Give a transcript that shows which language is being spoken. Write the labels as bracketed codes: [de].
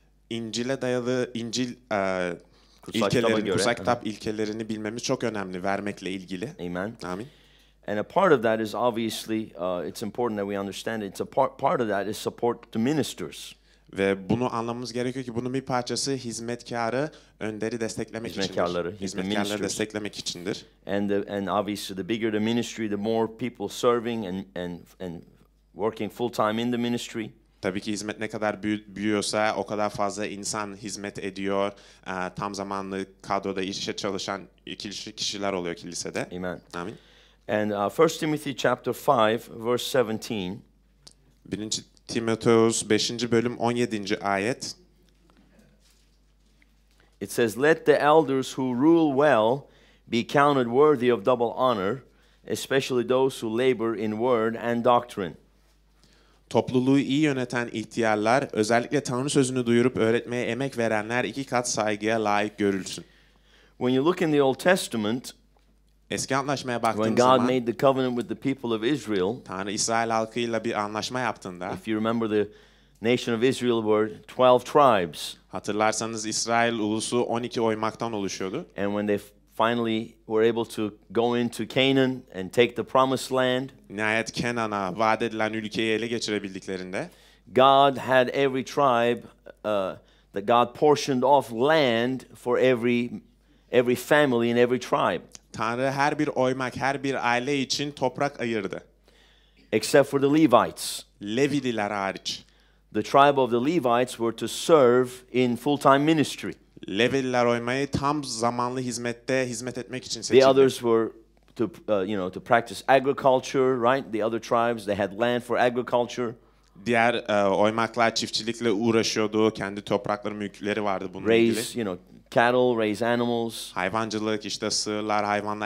[tr] İncil'e dayalı İncil ilkelerini, kutsal kitap ilkelerini bilmemiz çok önemli vermekle ilgili. [en] Amen. [tr] Amin. [en] And a part of that is obviously it's important that we understand it. It's a part of that is support to ministers. [tr] Ve bunu anlamamız gerekiyor ki bunun bir parçası hizmetkarı, önderi desteklemek hizmetkarları, içindir. Hizmetkarları desteklemek içindir. [en] And obviously the bigger the ministry, the more people serving and working full time in the ministry. [tr] Tabii ki hizmet ne kadar büyüyorsa o kadar fazla insan hizmet ediyor. Tam zamanlı kadroda işe çalışan kişiler oluyor kilisede. [en] Amen. [tr] Amin. [en] And 1 Timothy chapter 5 verse 17. [tr] 1. Timoteus 5. bölüm 17. ayet. [en] It says let the elders who rule well be counted worthy of double honor, especially those who labor in word and doctrine. [tr] Topluluğu iyi yöneten ihtiyarlar, özellikle Tanrı sözünü duyurup öğretmeye emek verenler iki kat saygıya layık görülsün. [en] When you look in the Old Testament, [tr] eski anlaşmaya baktığın [en] when God [tr] zaman, [en] made the covenant with the people of Israel, [tr] Tanrı İsrail halkıyla bir anlaşma yaptığında, [en] if you remember the nation of Israel were 12 tribes, [tr] hatırlarsanız İsrail ulusu 12 oymaktan oluşuyordu. [en] And when they finally were able to go into Canaan and take the promised land. [tr] Nihayet Kenan'a vaat edilen ülkeyi ele geçirebildiklerinde. [en] God had every tribe that God portioned off land for every family in every tribe. [tr] Tanrı her bir oymak, her bir aile için toprak ayırdı. [en] Except for the Levites. [tr] Leviler hariç. [en] The tribe of the Levites were to serve in full-time ministry. [tr] Leviler oymayı tam zamanlı hizmette hizmet etmek için seçildi. [en] The others were to to practice agriculture, right? The other tribes they had land for agriculture. [tr] Diğer oymaklar çiftçilikle uğraşıyordu. Kendi toprakları, mülkleri vardı bununla [en] raise, [tr] ilgili. [en] Cattle, raise animals. [tr] Hayvancılık, işte sığırlar, hayvanlar